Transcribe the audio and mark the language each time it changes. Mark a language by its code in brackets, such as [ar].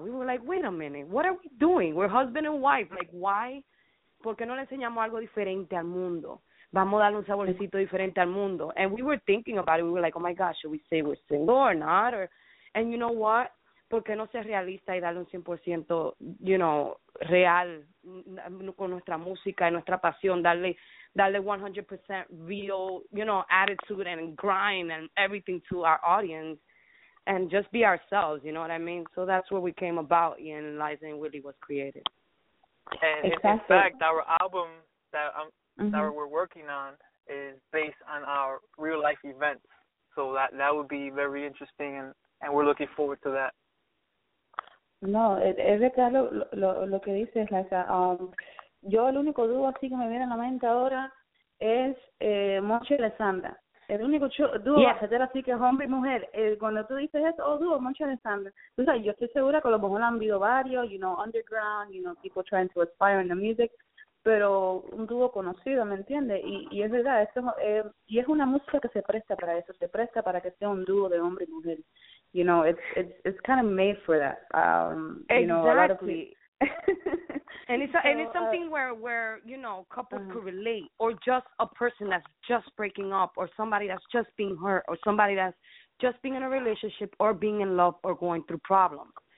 [en] We were like, wait a minute, what are we doing? We're husband and wife. Like, why? [es] ¿Por qué no le enseñamos algo diferente al mundo? Vamos a darle un saborcito diferente al mundo. [en] And we were thinking about it. We were like, oh my gosh, should we say we're single or not? And you know what? [es] ¿Por qué no ser realista y darle un 100%, you know, real con nuestra música y nuestra pasión? Darle 100% real, [en] you know, attitude and grind and everything to our audience and just be ourselves, you know what I mean? So that's where we came about and Liza y Willie was created. In fact, our album that I'm that we're working on is based on our real life events, so that would be very interesting, and we're looking forward to that. [es] No, es verdad lo que dices, Liza. Yo el único dúo así que me viene a la mente ahora es Moncho y Alessandra. El único dúo bachatero así que es hombre y mujer. Cuando tú dices eso, dúo Moncho y Alessandra. O sea, yo estoy segura que a lo mejor han habido varios, you know, [en] underground, you know, people trying to aspire in the music. [es] Pero un dúo conocido, ¿me entiendes? Y es verdad, y es una música que se presta para eso, se presta para que sea un dúo de hombre y mujer. [en] You know, it's kind of made for that. Exactly. You know, a lot of people. and it's something where you know, couples could relate, or just a person that's just breaking up, or somebody that's just being hurt, or somebody that's just being in a relationship, or being in love, or going through problems.